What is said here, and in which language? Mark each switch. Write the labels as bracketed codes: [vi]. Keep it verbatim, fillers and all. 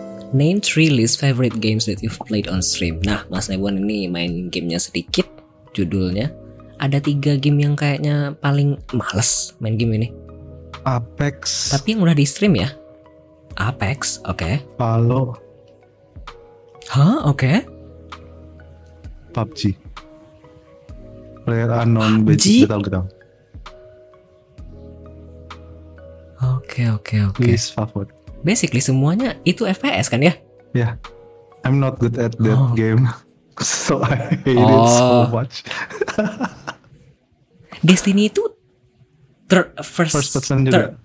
[en] Name three least favorite games that you've played on stream. [id] Nah, Mas Nebot ini main gamenya sedikit. Judulnya ada tiga game yang kayaknya paling males main game ini. Apex. Tapi yang udah di stream ya. Apex, oke. Okay. Halo. Hah, oke. Okay. P U B G. PlayerUnknown's Battlegrounds. Oke, oke, oke. [en] Least favorite. [id] Basically semuanya itu F P S kan ya? [en] Ya. Yeah. I'm not good at that oh. game. So I hate oh. it so much. [id] Destiny itu third, first, first person juga.